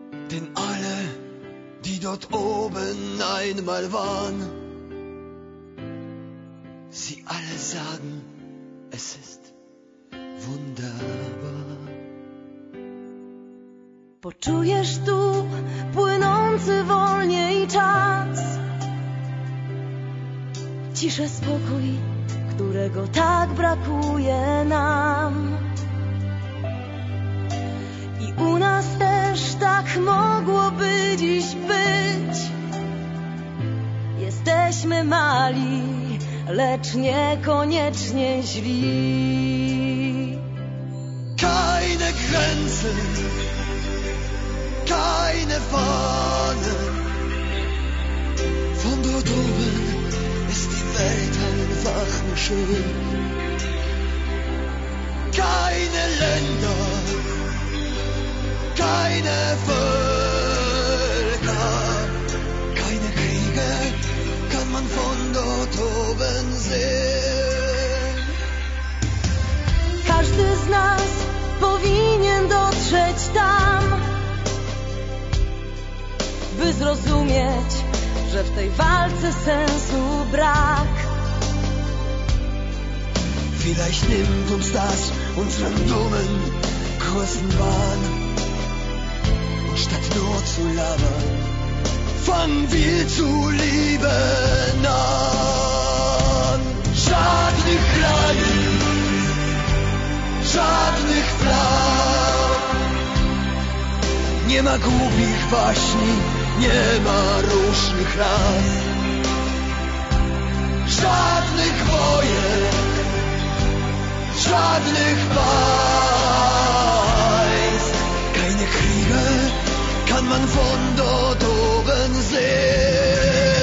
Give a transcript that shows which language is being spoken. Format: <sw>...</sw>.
<de>Denn alle, die dort oben einmal waren, sie alle sagen, es ist wunderbar.</de> <pl>Poczujesz du płynący wolniej czas, ciszę, spokój, którego tak brakuje nam. I u nas też tak mogłoby dziś być. Jesteśmy mali, lecz niekoniecznie źli.</pl> <de>Keine Grenze, keine Fahne. Von dort oben ist die Welt einfach nur schön. Keine Länder, keine Völker, keine Kriege kann man von dort oben sehen.</de> <pl>Każdy z nas powinien dotrzeć tam, by zrozumieć, że w tej walce sensu brak.</pl> <de>Vielleicht nimmt uns das unseren dummen, großen Wahn. Statt nur zu labern, fangen wir zu lieben an.</de> <pl>Żadnych krajów, żadnych praw. Nie ma głupich baśni, nie ma różnych ras. Żadnych wojen, żadnych państw.</pl> <de>Keine Kriege kann man von dort oben sehen.</de>